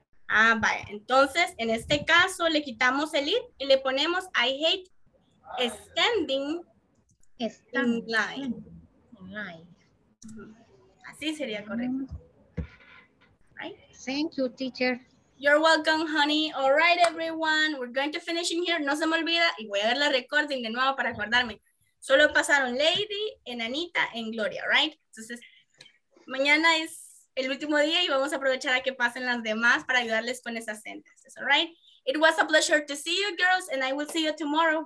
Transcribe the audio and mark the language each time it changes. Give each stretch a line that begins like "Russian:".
Spanish: Ah, vaya. Entonces, en este caso, le quitamos el it y le ponemos
English: I hate standing in line. In line.
Spanish: Así sería correcto. Mm-hmm.
English: Thank you, teacher. You're welcome, honey. All right, everyone. We're going to finish in here.
Spanish: No se me olvida. Y voy a ver la recording de nuevo para acordarme. Solo pasaron Lady, Anita, and Gloria,
English: right?
Spanish: Entonces, mañana es el último día y vamos a aprovechar a que pasen las demás para ayudarles con esas sentences,
English: all right? It was a pleasure to see you, girls, and I will see you tomorrow.